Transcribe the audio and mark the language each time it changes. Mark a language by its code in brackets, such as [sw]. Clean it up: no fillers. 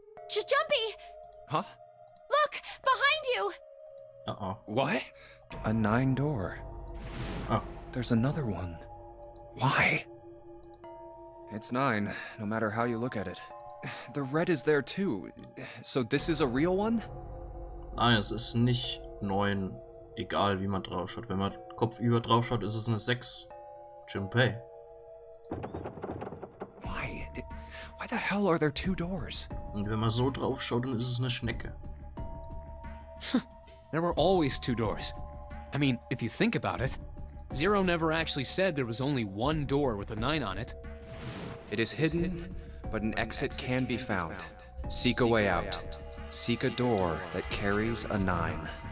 [en] Jumpy! Huh? Look! Behind you! Uh-oh. What? A 9 door. Oh. There's another one. Why? It's 9, no matter how you look at it. The red is there too. So this is a real one? [de] Nein, es ist nicht 9, egal wie man drauf schaut. Wenn man kopfüber drauf schaut, ist es eine 6. [en] Junpei. Why? Why the hell are there 2 doors? [de] Und wenn man so drauf schaut, dann ist es eine Schnecke. [en] There were always 2 doors. I mean, if you think about it, Zero never actually said there was only 1 door with a 9 on it. It is hidden. But an exit can be found. Seek a way out. Seek a door that carries a 9.